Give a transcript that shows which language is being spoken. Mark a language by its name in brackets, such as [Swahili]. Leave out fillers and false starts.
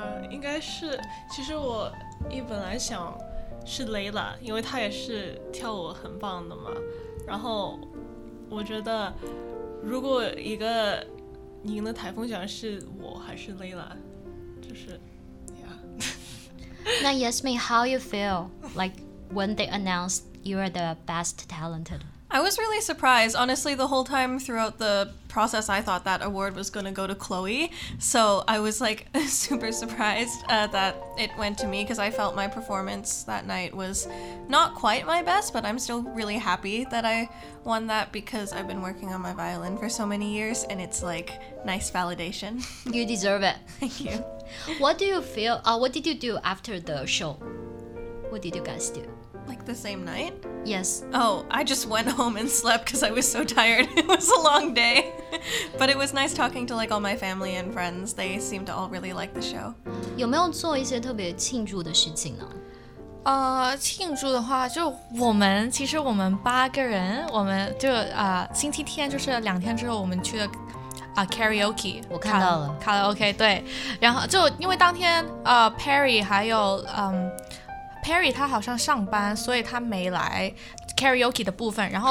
[Chinese] 应该是，其实我一本来想是 Layla， 因为她也是跳舞很棒的嘛。然后我觉得如果一个赢的台风奖是我还是 Layla， 就是那 [English] Yasmin, how you feel like when they announced you are the best talented? I was really surprised. Honestly, the whole time throughout the process, I thought that award was going to go to Chloe. So I was like super surprised that it went to me because I felt my performance that night was not quite my best, but I'm still really happy that I won that because I've been working on my violin for so many years and it's like nice validation. You deserve it. Thank you. What do you feel? What did you do after the show? What did you guys do? Like the same night? Yes. Oh, I just went home and slept because I was so tired. It was a long day. But it was nice talking to like all my family and friends. They seemed to all really like the show. [Chinese] 有没有做一些特别庆祝的事情呢？庆祝的话，就我们其实我们八个人，我们就星期天就是两天之后我们去了。 [English] Karaoke， [Chinese] 我看到了 Karaoke， 对，然后就因为当天Perry 还有Perry 他好像上班，所以他没来 Karaoke 的部分。然后